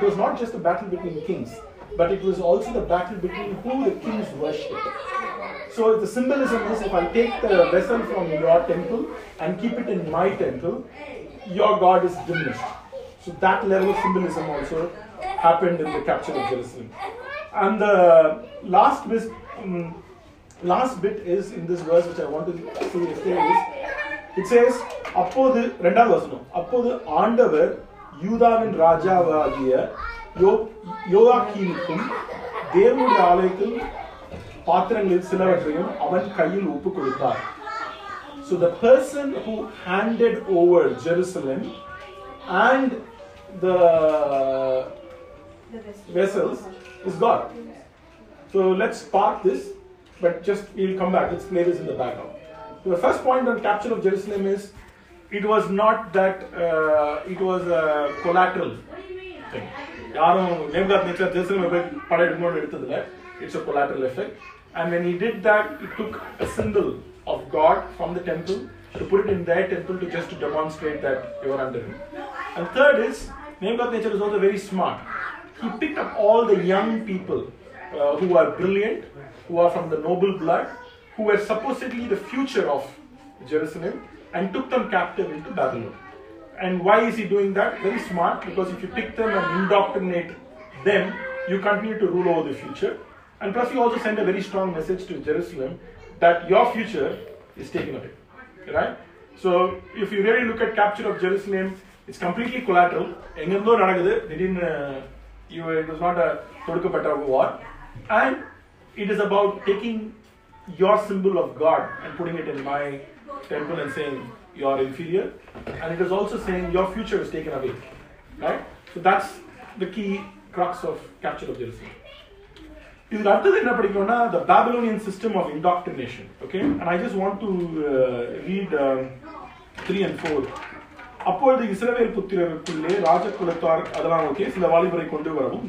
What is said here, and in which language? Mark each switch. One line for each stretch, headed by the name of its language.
English: It was not just a battle between kings, but it was also the battle between who the kings worshipped. So the symbolism is, if I take the vessel from your temple and keep it in my temple, your God is diminished. So that level of symbolism also happened in the capture of Jerusalem. And the last bit is in this verse which I want to say is, it says,
Tamil: அப்போது ரெண்டாவது வசனம், அப்போது ஆண்டவர் யூதாவின் ராஜாவாகிய யோயாக்கீமுக்கும் தேவனுடைய ஆலயத்தில் பாத்திரங்களில் சிலவற்றையும் அவன் கையில் ஒப்புக் கொடுத்தார்.
English: So the person who handed over Jerusalem and the vessels is God. So let's park this, but just we'll come back. Let's play this in the background. So the first point on capture of Jerusalem is, it was not that it was a collateral thing.
Tamil: யாரும் Jerusalem படையெடுக்கணும்னு எடுத்ததுல,
English: It's a collateral effect. And when he did that, he took a symbol of God from the temple to put it in their temple to just to demonstrate that they were under him. And third is, Nebuchadnezzar nature is also very smart. He picked up all the young people who are brilliant, who are from the noble blood, who were supposedly the future of Jerusalem, and took them captive into Babylon. And why is he doing that? Very smart, because if you pick them and indoctrinate them, you continue to rule over the future. And plus, he also sent a very strong message to Jerusalem that your future is taken away, right? So if you really look at capture of Jerusalem, it's completely collateral.
Tamil: Engendo nadagudhu,
English: it was not a kodukapatta war. And it is about taking your symbol of God and putting it in my temple and saying you are inferior. And it is also saying your future is taken away, right? So that's the key crux of capture of Jerusalem.
Tamil: இதுல அடுத்தது என்ன படிக்கணும்னா,
English: The Babylonian system of indoctrination. Okay, and I just want to read 3 and 4.
Tamil: அப்பொழுது இஸ்ரவேல் புத்திரருக்குள்ளே ராஜகுலத்தார் அதெல்லாம் okay சில வாலிபரை கொண்டு வரவும்.